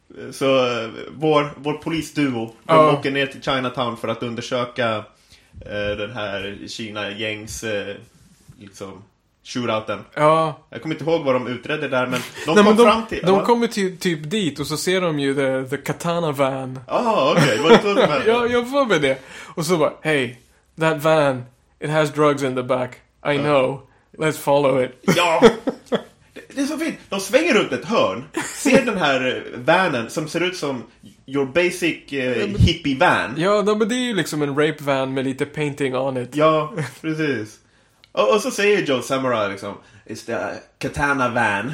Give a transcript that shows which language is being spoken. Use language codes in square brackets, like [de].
[sv] Så vår polisduo åker ner till Chinatown för att undersöka den här Kina-gängs liksom shootouten. Ja. Jag kommer inte ihåg vad de utredde där, men de kom fram till... De kommer typ dit och så ser de ju [en] the katana van. [sv] Okej. Jag får med det. Och så bara, [en] hey, that van, it has drugs in the back. I know, let's follow it. [sv] Ja! Det är så fint. De svänger runt ett hörn, ser den här vanen som ser ut som [en] your basic hippie van. [sv] Ja, men det är ju liksom en rape van med lite [en] painting on it. [sv] Ja, precis. Och så säger Joe Samurai liksom, [en] it's the katana van.